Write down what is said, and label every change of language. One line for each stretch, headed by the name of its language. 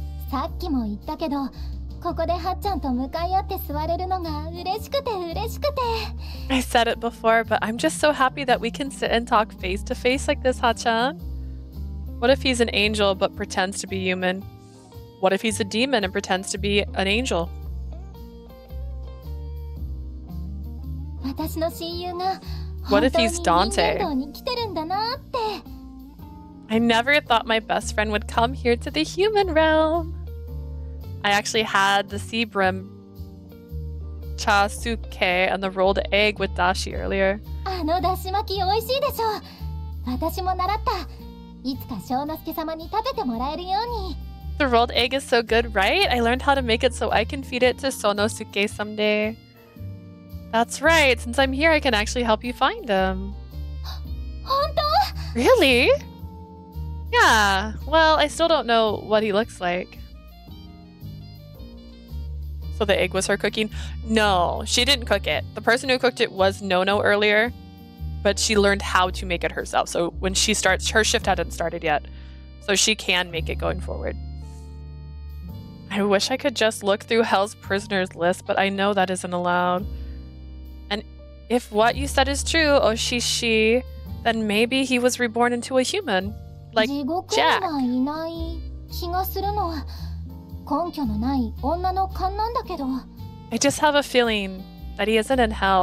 Japanese: さっきも言ったけど、ここでハッちゃんと向かい合って座れるのが嬉しくて嬉しくて。
English: I said it before, but I'm just so happy that we can sit and talk face to face like this, Ha-chan. What if he's an angel but pretends to be human? What if he's a demon and pretends to be an angel?
Japanese: 私の親友が
English: What if he's Dante?
Japanese: 本当に人間道に来てるんだなって。
English: I never thought my best friend would come here to the human realm. I actually had the sea brim cha suke and the rolled egg with dashi earlier.
Japanese: あのだし巻き美味しいでしょ。私も習った。いつか翔之介様に食べてもらえるように。
English: The rolled egg is so good, right? I learned how to make it so I can feed it to Sonosuke someday. That's right. Since I'm here, I can actually help you find him.
Japanese: 本当?
English: Really? Yeah. Well, I still don't know what he looks like. So the egg was her cooking? No, she didn't cook it. The person who cooked it was Nono earlier, but she learned how to make it herself. So when she starts, her shift hadn't started yet. So she can make it going forward. I wish I could just look through Hell's prisoners list, but I know that isn't allowed. And if what you said is true, Oshishi, then maybe he was reborn into a human, like Jack.
Japanese: 地獄にはいない気がするのは根拠のない女の勘なんだけど。
English: I just have a feeling that he isn't in Hell.